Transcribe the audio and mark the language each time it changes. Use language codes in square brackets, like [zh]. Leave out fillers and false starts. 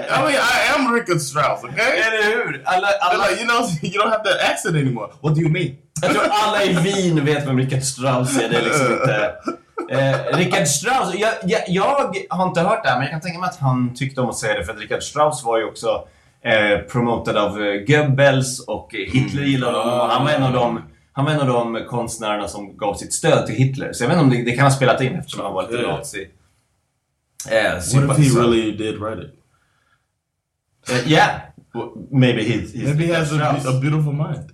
[en] I am Richard Strauss, okay? [sv] Eller hur? [en] You know, you don't have that accent anymore. What do you mean? [sv] Jag tror alla i Wien vet vem Richard Strauss är. Det är liksom inte... Richard Strauss... Jag har inte hört det här, men jag kan tänka mig att han tyckte om att säga det. För att Richard Strauss var ju också promoted av Goebbels och Hitler gillade honom. Och han var en av dem... Han var en av de konstnärerna som gav sitt stöd till Hitler. Så jag vet inte om det kan ha spelat in eftersom han var lite nazi. [en] What if he really did write it? Yeah. Maybe he's maybe he has a beautiful mind.